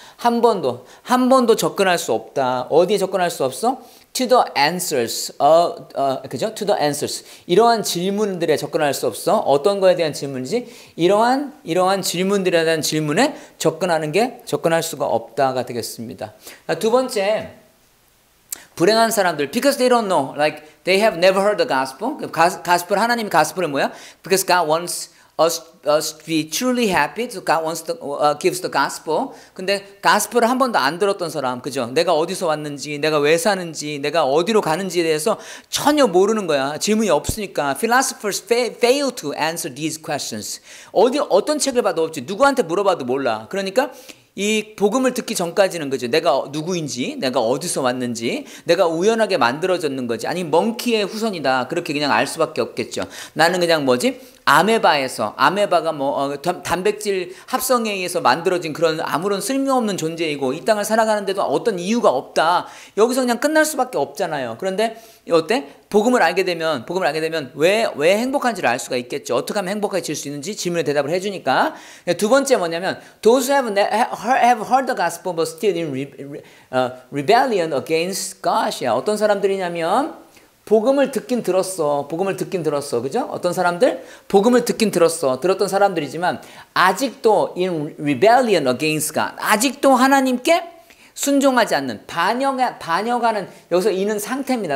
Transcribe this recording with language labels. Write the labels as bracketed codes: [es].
[ko] 한 번도 접근할 수 없다. 어디에 접근할 수 없어? [en] To the answers. [ko] 그죠? [en] To the answers. [ko] 이러한 질문들에 접근할 수 없어. 어떤 거에 대한 질문이지? 이러한 질문들에 대한 질문에 접근할 수가 없다가 되겠습니다. 두 번째. 불행한 사람들 [en] because they don't know like they have never heard the gospel. [ko] gospel 하나님이 가스프를 뭐야? [en] Because God wants us to be truly happy, so God wants to gives the gospel. [ko] 근데 가스퍼를 한 번도 안 들었던 사람, 그죠? 내가 어디서 왔는지, 내가 왜 사는지, 내가 어디로 가는지에 대해서 전혀 모르는 거야. 질문이 없으니까 [en] philosophers fail to answer these questions. [ko] 어떤 책을 봐도 없지. 누구한테 물어봐도 몰라. 그러니까 이 복음을 듣기 전까지는 그죠? 내가 누구인지, 내가 어디서 왔는지, 내가 우연하게 만들어졌는 거지. 아니 멍키의 후손이다. 그렇게 그냥 알 수밖에 없겠죠. 나는 그냥 뭐지? 아메바가 뭐 단백질 합성에 의해서 만들어진 그런 아무런 쓸모없는 존재이고 이 땅을 살아가는데도 어떤 이유가 없다. 여기서 그냥 끝날 수밖에 없잖아요. 그런데 어때? 복음을 알게 되면 왜 행복한지를 알 수가 있겠죠. 어떻게 하면 행복해질 수 있는지 질문에 대답을 해주니까. 두 번째 뭐냐면 [en] Those who have heard the gospel but still in rebellion against God이야. [ko] 어떤 사람들이냐면 복음을 듣긴 들었어. 그죠? 어떤 사람들? 복음을 듣긴 들었어. 들었던 사람들이지만 아직도 [en] in rebellion against God. [ko] 아직도 하나님께 순종하지 않는 반역하는 여기서 이는 상태입니다.